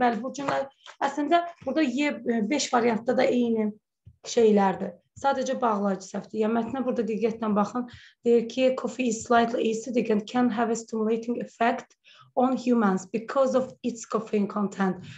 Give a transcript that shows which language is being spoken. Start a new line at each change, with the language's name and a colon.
Azerbaijani: Bəli, bu cümle aslında burada Y 5 variantda da eyni şeylərdir. Sadəcə bağlayıcı səhvdir. Yəni mətnə burada diqqətlə baxın. Deyir ki,
English: coffee is slightly acidic and can have a stimulating effect on humans because of its caffeine content.